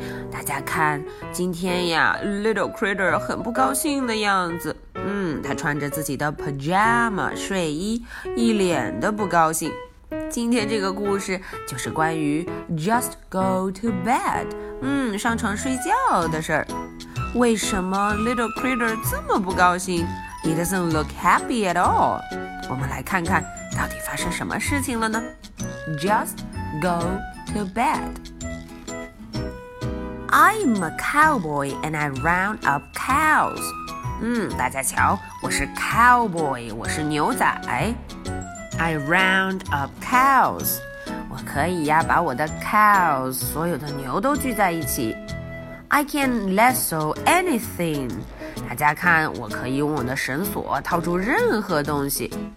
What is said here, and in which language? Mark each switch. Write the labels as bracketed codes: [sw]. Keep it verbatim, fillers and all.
[zh] 大家看，今天呀 ，Little Critter 很不高兴的样子。嗯，他穿着自己的 pajama 睡衣，一脸的不高兴。今天这个故事就是关于 [en] Just go to bed， [zh] 嗯，上床睡觉的事儿。为什么 Little Critter 这么不高兴 ？ [en] He doesn't look happy at all。 [zh] 我们来看看到底发生什么事情了呢 ？ [en] Just go to bed. I'm a cowboy and I round up cows. [zh] 嗯，大家瞧，我是 cowboy， 我是牛仔。 [en] I round up cows. [zh] 我可以呀，把我的 cows 所有的牛都聚在一起。 [en] I can lasso anything. [zh] 大家看，我可以用我的绳索套住任何东西。